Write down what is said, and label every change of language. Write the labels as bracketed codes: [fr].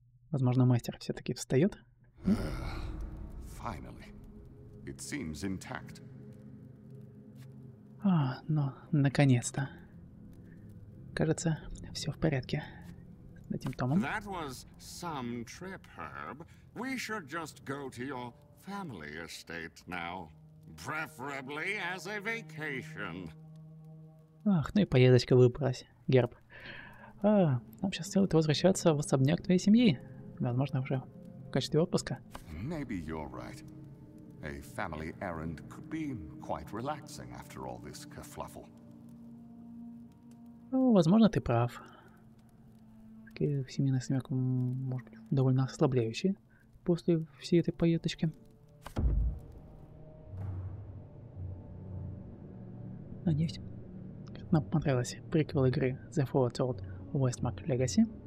[ru] Возможно, мастер все-таки встает. [en] Finally, It seems intact. [ru] А, ну, наконец-то. Кажется, все в порядке с этим томом. [en] That was some trip, Herb. We should just go to your family estate now. Preferably as a vacation. [ru] Ах, ну и поездочка выбралась, Герб. А, нам сейчас стоит возвращаться в особняк твоей семьи. Возможно, уже в качестве отпуска. [en] Maybe you're right. A family errand could be quite relaxing after all this kerfluffle. [ru] Ну, возможно, ты прав. Семейная семья может быть довольно ослабляющая после всей этой поездочки. Надеюсь, нам понравилась приквел игры The Forward World Westmark Legacy.